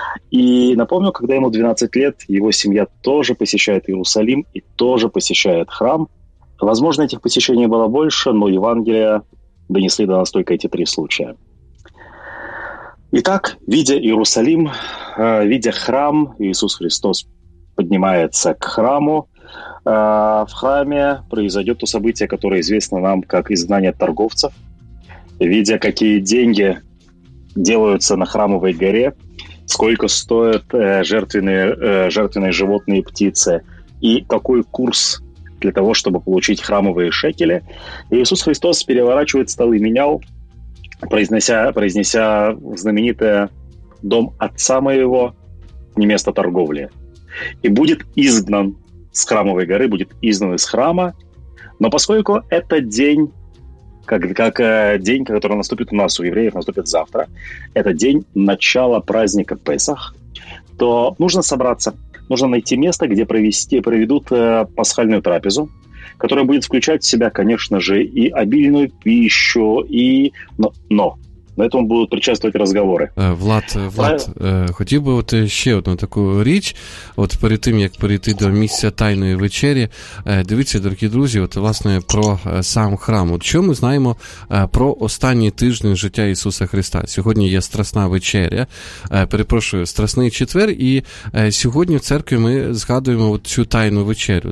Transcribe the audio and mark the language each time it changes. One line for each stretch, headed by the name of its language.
Ukrainian: І напомню, коли йому 12 років, його сім'я теж посещає Єрусалим і теж посещає храм. Возможно, цих посещень було більше, але Євангелія донесли до нас тільки ці три случаї. І так, видя Єрусалим, видя храм, Ісус Христос піднімається к храму.
Russian: В храмі произойдет то событие, которое известно нам как изгнание торговцев. Видя, какие деньги делаются на храмовой горе, сколько стоят жертвенные животные и птицы, и какой курс для того, чтобы получить храмовые шекели, Иисус Христос переворачивает стол и менял, произнеся знаменитое «Дом отца моего не место торговли». И будет изгнан с храмовой горы, будет изгнан из храма, но поскольку это день, как день, который наступит у нас, у евреев, наступит завтра, это день начала праздника Песах, то нужно собраться, нужно найти место, где проведут пасхальную трапезу, которая будет включать в себя, конечно же, и обильную пищу, но на этом будут причаствовать разговоры.
Ukrainian: Влад, хотів би от ще одну таку річ, от перед тим, як перейти до місця тайної вечері, дивіться, дорогі друзі, от, власне, про сам храм. От що ми знаємо про останні тижні життя Ісуса Христа? Сьогодні є Страсна вечеря, Страсний четвер, і сьогодні в церкві ми згадуємо от цю тайну вечерю.